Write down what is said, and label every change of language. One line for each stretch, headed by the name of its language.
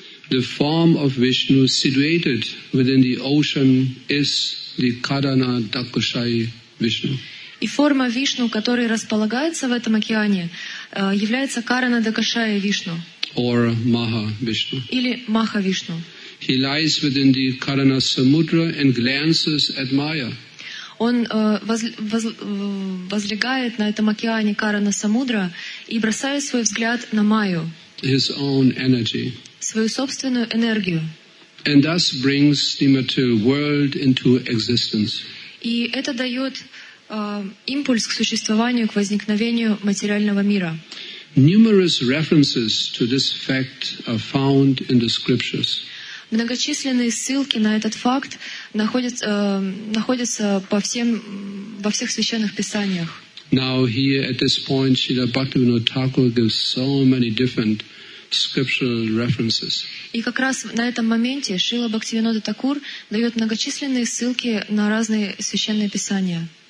English: The form of Vishnu situated within the ocean is the Karana Dakshai Vishnu.
Russian: И форма Вишну, которая располагается в этом океане, является Карана Дакашая Вишну.
English: Or Maha Vishnu.
Russian: Или Маха Вишну.
English: He lies within the Karana Samudra and glances at Maya.
Russian: Он возлегает на этом океане Карана Самудра и бросает свой взгляд на Майю.
English: His own energy.
Russian: Свою собственную энергию.
English: And thus brings the material world into existence.
Russian: И это дает импульс к существованию, к возникновению материального мира.
English: Numerous references to this fact are found in the scriptures.
Russian: Многочисленные ссылки на этот факт находятся во всех священных писаниях.
English: Now here at this point, Śrīla Bhaktivinoda Thakura gives so many different scriptural references.
Russian: И как раз на этом моменте Шрила Бхактивинода Такур дает многочисленные ссылки на разные священные писания.